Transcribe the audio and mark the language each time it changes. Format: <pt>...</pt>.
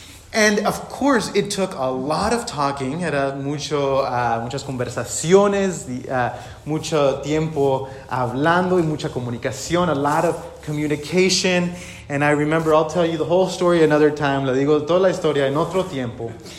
<en>And of course, it took a lot of talking.</en> <es>Era mucho, muchas conversaciones, mucho tiempo hablando y mucha comunicación,</es> <en>a lot of communication. And I remember, I'll tell you the whole story another time.</en> <es>Le digo toda la historia en otro tiempo.</es>